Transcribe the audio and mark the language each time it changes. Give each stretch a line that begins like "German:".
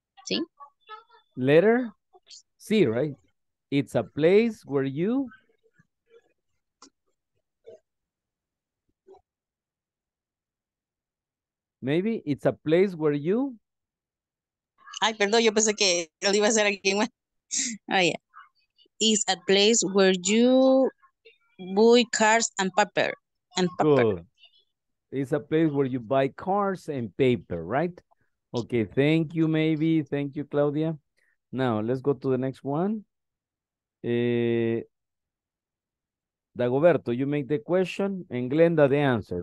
Spanish: Sí.
English: Letter C, right? It's a place where you maybe it's a place where you
Spanish: ay, perdón, yo pensé que lo iba a hacer aquí.
English: Oh, yeah. It's a place where you buy cars and paper. Good. It's a place where you buy cars and paper, right? Okay, thank you, maybe. Thank you, Claudia. Now, let's go to the next one. Dagoberto, you make the question and Glenda the answer.